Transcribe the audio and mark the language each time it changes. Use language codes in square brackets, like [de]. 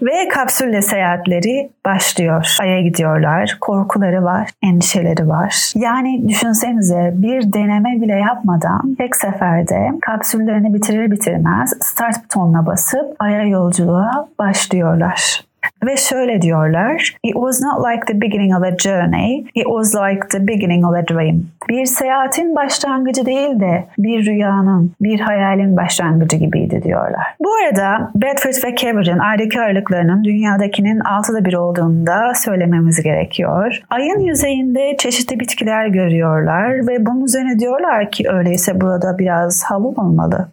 [tr] Ve kapsülle seyahatleri başlıyor. Ay'a gidiyorlar. Korkuları var, endişeleri var. Yani düşünsenize, bir deneme bile yapmadan tek seferde kapsüllerini bitirir bitirmez start butonuna basıp Ay'a yolculuğa başlıyor. Diyorlar. Ve şöyle diyorlar. [en] It was not like the beginning of a journey. It was like the beginning of a dream. [tr] Bir seyahatin başlangıcı değil de bir rüyanın, bir hayalin başlangıcı gibiydi diyorlar. Bu arada Bedford ve Cavour'ın aydaki aralıklarının dünyadakinin 1/6 olduğunu da söylememiz gerekiyor. Ay'ın yüzeyinde çeşitli bitkiler görüyorlar ve bunun üzerine diyorlar ki öyleyse burada biraz hava olmalı.